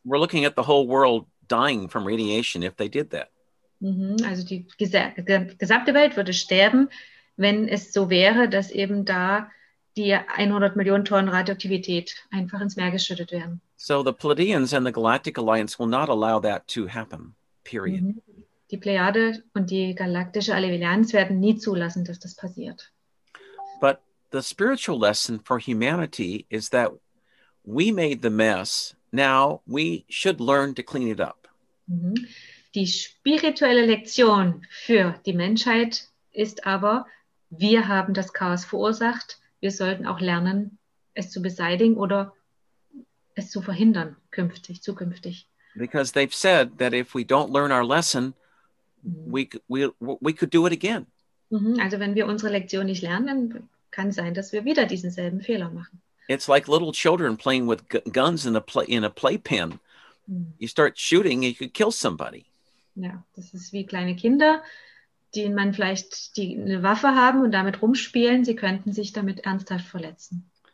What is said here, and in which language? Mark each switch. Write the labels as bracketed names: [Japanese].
[English] We're looking at the whole world dying from radiation if they did that. [German] Mhm, also die gesamte Welt würde sterben, wenn es so wäre, dass eben da die 100 Millionen Tonnen Radioaktivität einfach ins Meer geschüttet werden. [English] So the Pleiadians and the Galactic Alliance will not allow that to happen, period. Mm-hmm. [German] Die Plejade und die Galaktische Allianz werden nie zulassen, dass das passiert. [English] But the spiritual lesson for humanity is that we made the mess, now we should learn to clean it up. Mm-hmm. [German] Die spirituelle Lektion für die Menschheit ist aber, wir haben das Chaos verursacht, wir sollten auch lernen, es zu beseitigen oder es zu verhindern zukünftig. [English] Because they've said that if we don't learn our lesson, we could do it again. [German] Also wenn wir unsere Lektion nicht lernen, kann sein, dass wir wieder diesen selben Fehler machen. [English] It's like little children playing with guns in a playpen. You start shooting, you could kill somebody. [German] Ja, das ist wie kleine Kinder, denen man vielleicht eine Waffe haben und damit rumspielen, sie könnten sich damit ernsthaft verletzen.